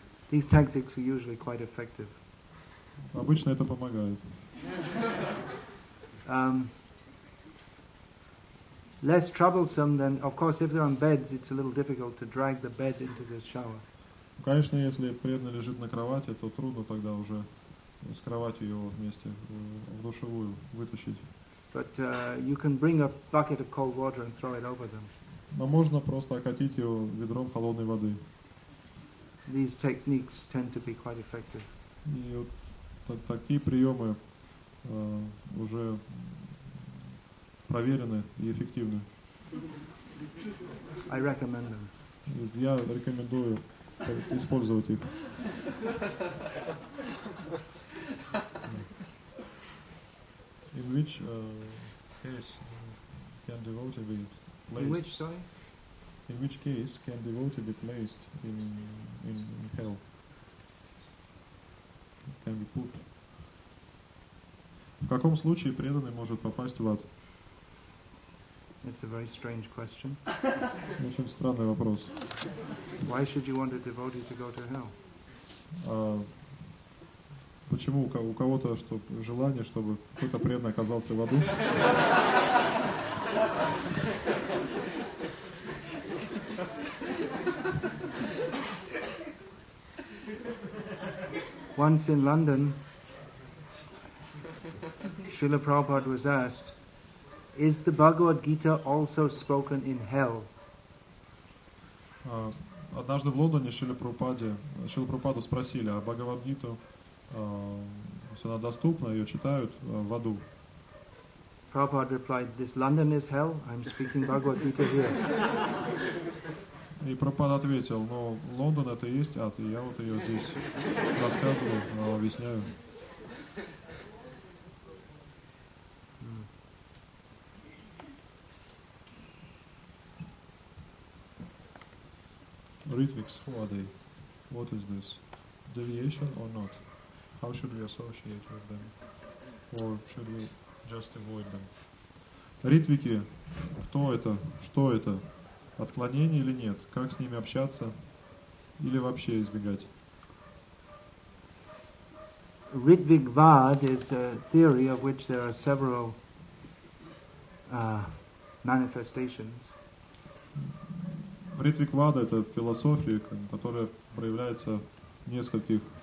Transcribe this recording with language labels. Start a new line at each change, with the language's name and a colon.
English: These tactics are usually quite effective.
Russian: Обычно это помогает.
English: Less troublesome than, of course, if they're on beds, it's a little difficult to drag the bed into the shower.
Russian: Конечно, если преданный лежит на кровати, то трудно тогда уже с кровати его вместе в душевую вытащить.
English: But you can bring a bucket of cold water and throw it over them.
Russian: Но можно просто окатить его ведром холодной воды.
English: These techniques tend to be quite effective.
Russian: И вот такие приемы уже проверены и эффективны.
English: I recommend them.
Russian: Я рекомендую использовать их.
English: In which case can devotee be placed? In which, sorry? In which case can devotee be placed in hell? Can be put.
Russian: В каком случае преданный может попасть в ад?
English: It's a very strange question.
Russian: Очень странный вопрос.
English: Why should you want a devotee to go to hell?
Russian: Почему у кого-то чтобы желание, чтобы кто-то преданный оказался в аду?
English: Once in London, Srila Prabhupada was asked, "Is the Bhagavad Gita also spoken in hell?"
Russian: Однажды в Лондоне Шрила Прабхупаду спросили, а Бхагавад-гиту все она доступна, ее читают в аду.
English: Prabhupada replied, "This London is hell. I'm speaking Bhagavad Gita here."
Russian: И Прабхупада ответил, "Но Лондон это и есть ад, и я вот ее здесь рассказываю, объясняю."
English: Ritviks, who are they? What is this? Deviation or not? How should we associate with them? Or should we just avoid them?
Russian: Ритвики, кто это? Что это? Отклонение или нет? Как с ними общаться? Или вообще избегать?
English: Ritvikvad is a theory of which there are several manifestations.
Russian: Ритвиквада — это философия, которая проявляется в нескольких